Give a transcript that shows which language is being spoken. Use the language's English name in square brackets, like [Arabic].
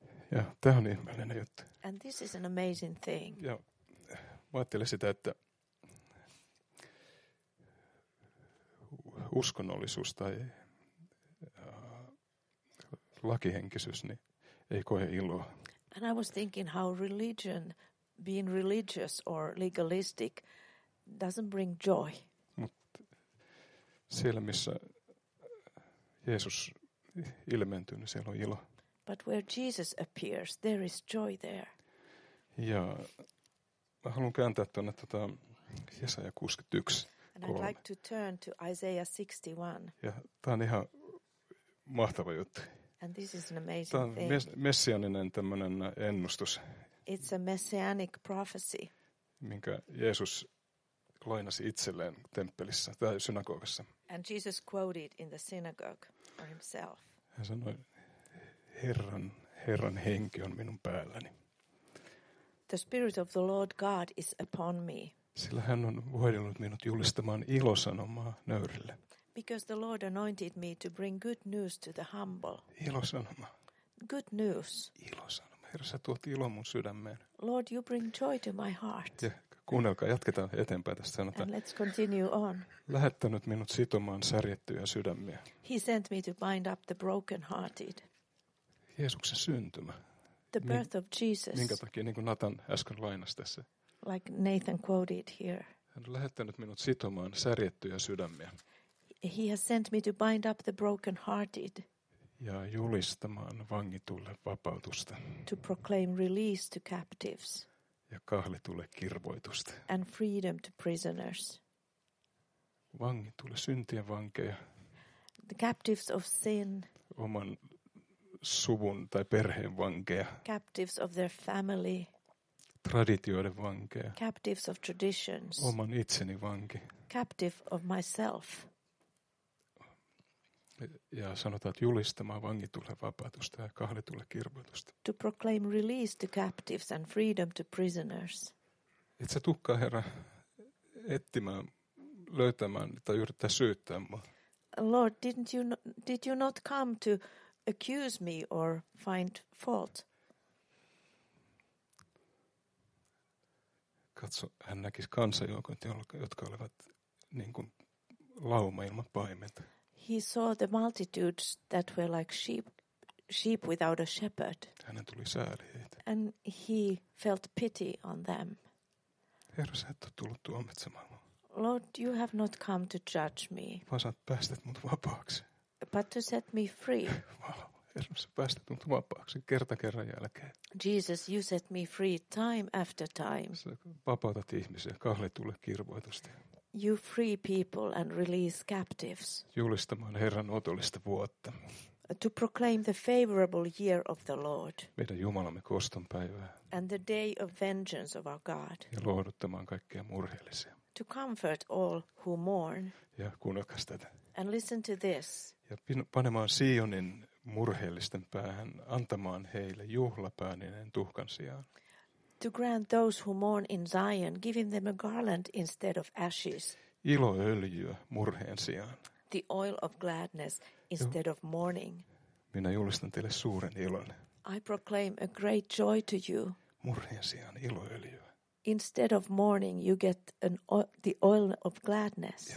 [Finnish] Ja tämä on ihmeellinen juttu. [English] And this is an amazing thing. [Finnish] Ja mä ajattelen sitä, että uskonnollisuus tai lakihenkisyys niin ei koe iloa. [English] And I was thinking how religion, being religious or legalistic, doesn't bring joy. [Finnish] Mut siellä, missä Jeesus ilmentyy, niin siellä on ilo. [English] But where Jesus appears, there is joy there. [Finnish] Ja mä haluan kääntää tuonne tuota Jesaja 61. [English] And I'd like to turn to Isaiah 61. [Finnish] Ja tämä on ihan mahtava juttu. [English] And this is an amazing thing. [Finnish] Messianinen tämmönen ennustus. [English] It's a messianic prophecy. [Finnish] Minkä Jeesus lainasi itselleen temppelissä tai synagogassa. [English] And Jesus quoted in the synagogue for himself. [Finnish] Hän sanoi, Herran henki on minun päälläni. [English] The spirit of the Lord God is upon me. [Finnish] Sillä hän on voidellut minut julistamaan ilosanomaa nöyrille. [English] Because the Lord anointed me to bring good news to the humble. [Finnish] Ilosanoma. [English] good news. [Finnish] Ilosanoma. Herra, sä tuot ilon mun sydämeen. [English] Lord, you bring joy to my heart. [Finnish] Ja kuunnelkaa, jatketaan eteenpäin tästä sanotaan. [English] And let's continue on. [Finnish] Lähettänyt minut sitomaan särjettyjä sydämiä. [English] He sent me to bind up the brokenhearted. [Finnish] Jeesuksen syntymä. [English] The birth of Jesus. [Finnish] Minkä takia, niin kuin Nathan äsken lainasi tässä. [English] Like Nathan quoted here. [Finnish] Hän on lähettänyt minut sitomaan särjettyjä sydämiä. [English] He has sent me to bind up the brokenhearted. [Finnish] Ja julistamaan vangitulle vapautusta. [English] To proclaim release to captives. [Finnish] Ja kahlitulle kirvoitusta. [English] And freedom to prisoners. [Finnish] Vangitulle syntien vankeja. [English] The captives of sin. [Finnish] Oman suvun tai perheen vankeja. [English] Captives of their family. [Finnish] Traditioiden vankeja. [English] Captives of traditions. [Finnish] Oman itseni vanki. [English] Captive of myself. [Finnish] Ja sanotaan, että julistamaan vangitulle vapautusta ja kahlitulle kirvoitusta. [English] To proclaim release to captives and freedom to prisoners. [Finnish] Et sä tukkaa, Herra, etsimään, löytämään tai yrittää syyttää mua. [English] Lord, did you not come to accuse me or find fault? [Finnish] Katso, hän näkisi kansanjoukot, jotka olivat niin kuin lauma ilman paimenta. [English] He saw the multitudes that were like sheep without a shepherd. [Finnish] Hänen tuli sääli heitä. [English] And he felt pity on them. [Finnish] Herra, sä et ole tullut tuomitsemaan mua. [English] Lord, you have not come to judge me. [Finnish] Vaan sä päästät mut vapaaksi. [English] But to set me free. [Finnish] Herra, sä päästät mut vapaaksi kerta kerran jälkeen. [English] Jesus, you set me free time after time. [Finnish] Sä vapautat ihmisiä kahlitulle kirvoitusta. [English] You free people and release captives. [Finnish] Julistamaan Herran otollista vuotta. [English] To proclaim the favorable year of the Lord. [Finnish] Meidän Jumalamme koston päivää. [English] And the day of vengeance of our God. [Finnish] Ja lohduttamaan kaikkia murheellisia. [English] To comfort all who mourn. [Finnish] Ja kuunnelkaas tätä. [English] And listen to this. [Finnish] Ja panemaan Sionin murheellisten päähän, antamaan heille juhlapääninen tuhkan sijaan. [English] To grant those who mourn in Zion, giving them a garland instead of ashes. [Finnish] Iloöljyä murheen sijaan. [English] The oil of gladness instead of mourning. [Finnish] Minä julistan teille suuren ilon. [English] I proclaim a great joy to you. [Finnish] Murheen sijaan iloöljyä. [English] Instead of mourning, you get the oil of gladness.